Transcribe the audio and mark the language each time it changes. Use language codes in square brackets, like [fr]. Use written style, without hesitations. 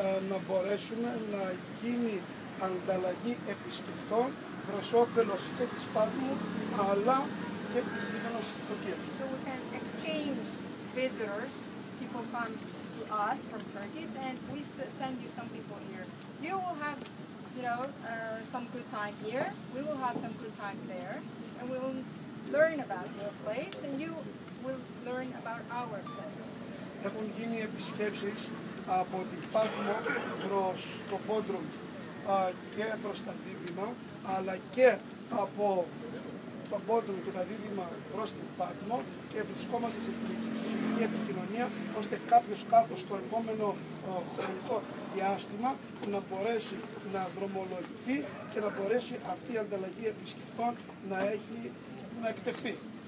[el] Να μπορέσουμε να γίνει ανταλλαγή επισκεπτών προς όφελος και της ΠΑΤΜΟ αλλά και της γείτονας Τουρκίας. [en] So we can exchange visitors. People come to us from Turkey, and we send you some people here. You will have, you know, some good time here. We will have some good time there, and we will learn about your place, and you will learn about our place. [el] Έχουν γίνει επισκέψεις από την ΠΑΤΜΟ προς το Πόντρουμ και προς τα Δίδυμα, αλλά και από το Πόντρουμ και τα Δίδυμα προς την ΠΑΤΜΟ και βρισκόμαστε σε συνεχή επικοινωνία ώστε κάποιος κάπως στο επόμενο χρονικό διάστημα να μπορέσει να δρομολογηθεί και να μπορέσει αυτή η ανταλλαγή επισκεπτών να έχει να επιτευχθεί.